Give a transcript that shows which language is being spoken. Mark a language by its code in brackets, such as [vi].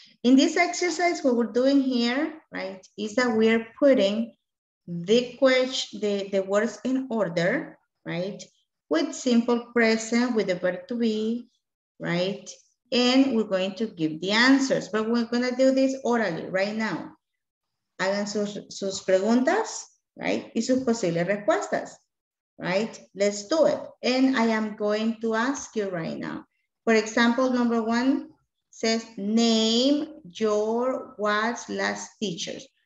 [en] In this exercise, what we're doing here, right, is that we are putting the question, the words in order, right, with simple present, with the verb to be, right, and we're going to give the answers. But we're going to do this orally right now. [es] Hagan sus preguntas, right, y sus posibles respuestas, right? [en] Let's do it. And I am going to ask you right now. For example, number one says, name your what's last teachers.